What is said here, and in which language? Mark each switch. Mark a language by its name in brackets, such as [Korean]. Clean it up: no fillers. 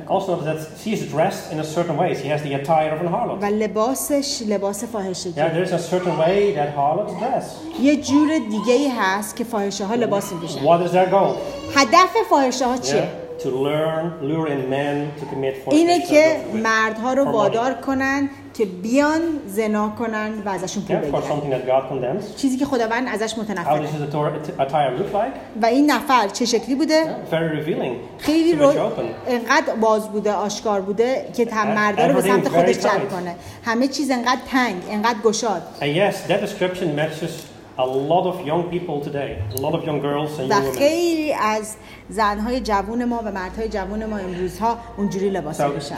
[English] Also notice that she is dressed in a certain way. She has the attire of a harlot. [Persian] و لباسش لباس فاحشه. [English] Yeah, there's a certain way that harlots dress. [Persian] یه جور دیگه‌ای هست که فاحشه‌ها لباس می‌پوشن. [English] What is their goal? [Persian] هدف فاحشه‌ها چیه؟ [English] Yeah. To learn, lure in men to commit fornication. [Persian] اینه که مردها رو وادار کنن که بیان زنا کنن و ازشون پول بگیرن. [English] For something that God condemns. [Persian] چیزی که خداوند ازش متنفره. [English] How does the Torah attire look like? [Persian] و این نفر چه شکلی بوده؟ [English] Very revealing. [Persian] خیلی رو انقدر باز بوده، آشکار بوده که تمام مردا رو به سمت خودش جلب کنه. همه چیز انقدر تنگ، انقدر گشاد. [English] Yes, that description matches a lot of young people today, a lot of young girls and young women. [Persian] از زنهای جوان ما و مردهای جوان ما امروزها اونجوری لباس میپوشن.